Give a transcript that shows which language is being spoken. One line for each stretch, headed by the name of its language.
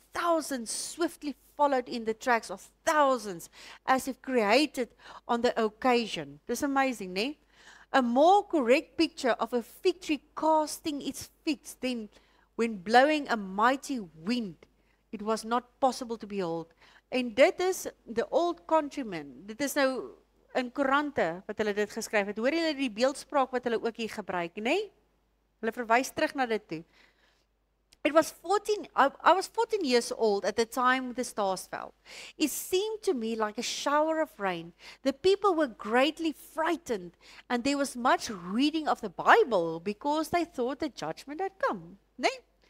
English: Thousands swiftly followed in the tracks of thousands as if created on the occasion. This is amazing, nee? A more correct picture of a fig tree casting its figs than when blowing a mighty wind, it was not possible to behold. And that is the old countryman.
Afrikaans: Dit is nou in koerante wat hulle dit geskryf het. Hoor julle die beeldspraak wat hulle ook hier gebruik, nee? Hulle verwys terug na dit toe.
English: It was 14, I was 14 years old at the time the stars fell. It seemed to me like a shower of rain. The people were greatly frightened and there was much reading of the Bible because they thought the judgment had come. Nee?